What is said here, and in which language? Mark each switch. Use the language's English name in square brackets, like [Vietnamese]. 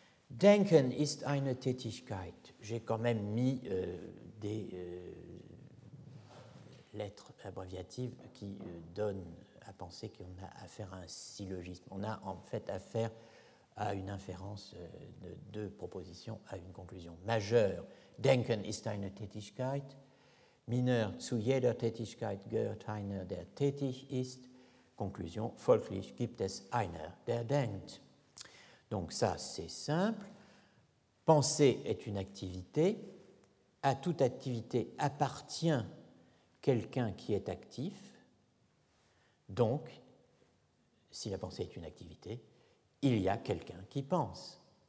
[German] Denken ist eine Tätigkeit. [French] J'ai quand même mis des lettres abréviatives qui donnent à penser qu'on a affaire à un syllogisme. On a en fait affaire à une inférence de deux propositions à une conclusion majeure. [German] Denken ist eine Tätigkeit. Mineur, zu jeder Tätigkeit gehört einer, der tätig ist. Conclusion, folglich gibt es einer, der denkt. [French] Donc ça, c'est simple. Penser est une activité. À toute activité appartient quelqu'un qui est actif. Donc, si la pensée est une activité, il y a quelqu'un qui pense.